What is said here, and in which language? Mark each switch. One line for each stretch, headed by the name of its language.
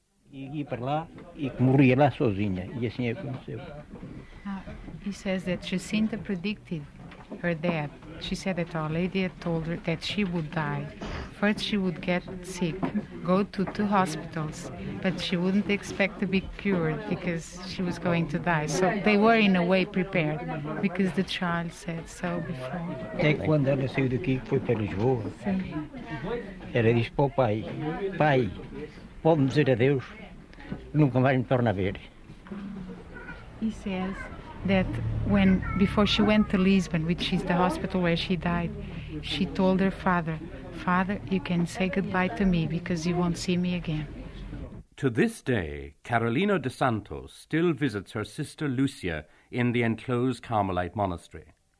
English: He says that Jacinta predicted her death. She said that Our Lady had told her that she would die. first she would get sick, go to two hospitals, but she wouldn't expect to be cured because she was going to die. So they were in a way prepared because the child said so before.
Portuguese: Até quando ela saiu daqui, foi para Lisboa, ela disse para o pai, pai, pode-me dizer adeus, nunca mais me torna a ver.
English: He says that when before she went to Lisbon, which is the hospital where she died, she told her father, Father, you can say goodbye to me because you won't see me again. To this day, Carolina de Santos still visits her sister Lucia in the enclosed Carmelite monastery.